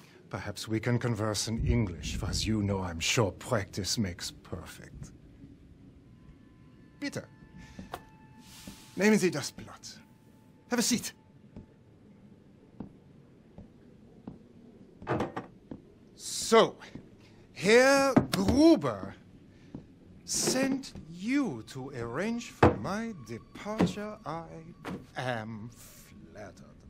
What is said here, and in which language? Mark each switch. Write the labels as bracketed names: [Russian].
[English] Perhaps we can converse in English, as you know, I'm sure practice makes perfect. [German] Bitte, nehmen Sie das Blatt. [English] Have a seat. So, Herr Gruber sent you to arrange for my departure. I am flattered.